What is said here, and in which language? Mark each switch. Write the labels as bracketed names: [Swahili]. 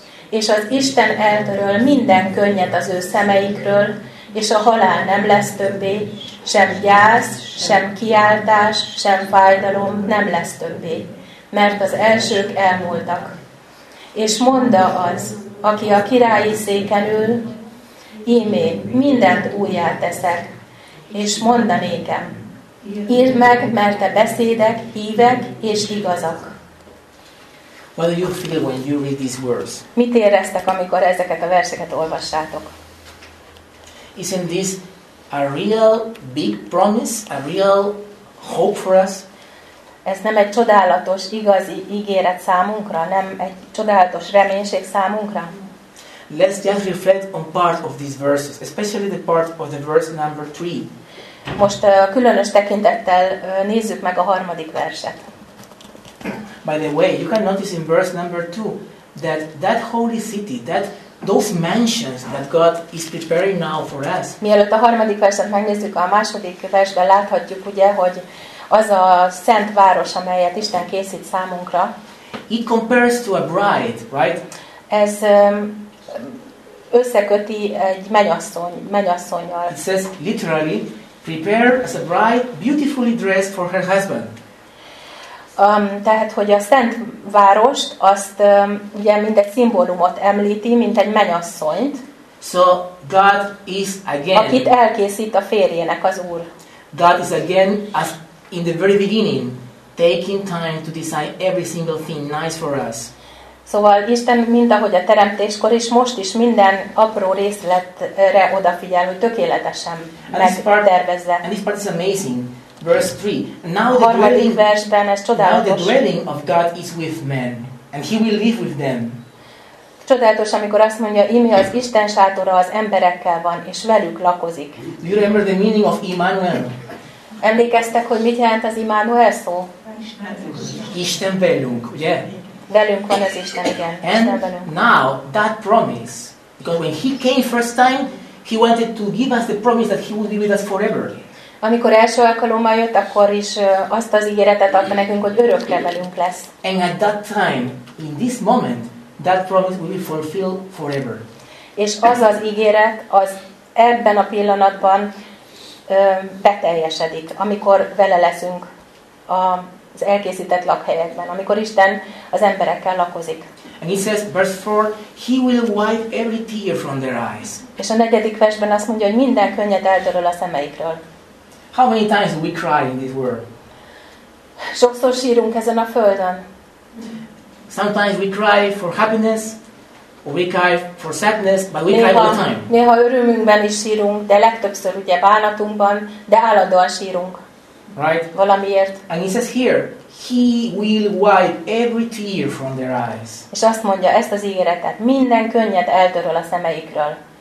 [Hungarian] És az Isten eltöröl minden könnyet az ő szemeikről, és a halál nem lesz többé, sem gyász, sem kiáltás, sem fájdalom nem lesz többé, mert az elsők elmúltak. És mondta az, aki a királyi széken ül, ímé, mindent újjá teszek, és mondta nékem, írd meg, mert te beszédek, hívek és igazak. [English] What do you feel when you read these words? [Hungarian] Mit éreztek, amikor ezeket a verseket olvassátok? [English] Isn't this a real big promise, a real hope for us? [Hungarian] Ez nem egy csodálatos, igazi ígéret számunkra, nem egy csodálatos reménység számunkra? [English] Let's just reflect on part of these verses, especially the part of the verse number 3. [Hungarian] Most különös tekintettel nézzük meg a harmadik verset. [English] By the way, you can notice in verse number 2 that holy city, that those mansions that God is preparing now for us. [Hungarian] Mielőtt a harmadik verset megnézzük, a második versben láthatjuk ugye, hogy az a szent város, amelyet Isten készít számunkra. [English] It compares to a bride, right? [Hungarian] Ez összeköti egy menyasszonnyal. [English] It says literally, prepare as a bride beautifully dressed for her husband. [Hungarian] Tehát, hogy a Szent Várost, azt ugye mint egy szimbólumot említi, mint egy menyasszonyt. [English] So God is again. [Hungarian] Akit elkészít a férjének az Úr. [English] God is again, as in the very beginning, taking time to decide every single thing nice for us. [Hungarian] Szóval Isten, mint ahogy a teremtéskor is, most is minden apró részletre odafigyel, hogy tökéletesen megtervezze. [English] And this part is amazing. Verse 3. Now the dwelling versben, now the dwelling of God is with men, and He will live with them. [Hungarian] Csodálatos, amikor azt mondja, ime az Isten sátora az emberekkel van, és velük lakozik. [English] Do you remember the meaning of Immanuel? [Hungarian] Emlékeztek, hogy mit jelent az Immanuel szó? Isten velünk, ugye? Velünk van az Isten, igen. [English] And now, that promise, because when he came first time, he wanted to give us the promise that he would be with us forever. [Hungarian] Amikor első alkalommal jött, akkor is azt az ígéretet adta nekünk, hogy örökre velünk lesz. [English] And at that time, in this moment, that promise will be fulfilled forever. [Hungarian] És az az ígéret, az ebben a pillanatban beteljesedik, amikor vele leszünk az elkészített lakhelyekben, amikor Isten az emberekkel lakozik. [English] And he says, verse 4, he will wipe every tear from their eyes. [Hungarian] És a negyedik versben azt mondja, hogy minden könnyet eltöröl a szemeikről. [English] How many times do we cry in this world? [Hungarian] Sokszor sírunk ezen a földön. [English] Sometimes we cry for happiness, or we cry for sadness, but we [Hungarian] néha, [English] cry all the time. [Hungarian] Néha örömünkben is sírunk, de legtöbbször ugye bánatunkban, de állandóan sírunk. [English] Right? [Hungarian] Valamiért. [English] And he says here, he will wipe every tear from their eyes. [Hungarian] És azt mondja, ezt az ígéretet, minden könnyet eltöröl a szemeikről.